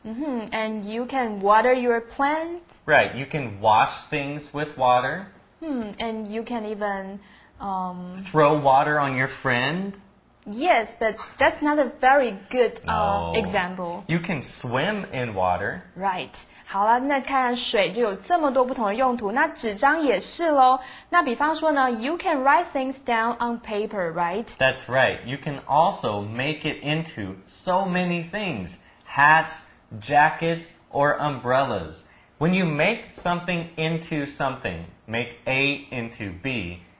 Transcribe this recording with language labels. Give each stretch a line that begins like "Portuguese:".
English: Mm-hmm. And you can water your plant. Right, you can wash things with water. And you can even... throw water on your friend. Yes, but that's not a very good example. You can swim in water. Right.
Chinese: 好了，那看看水就有这么多不同的用途，那纸张也是咯。那比方说呢，
English: you can write things down on paper, right? That's right. You can also make it into so many things. Hats, jackets, or umbrellas. When you make something into something, make A into B...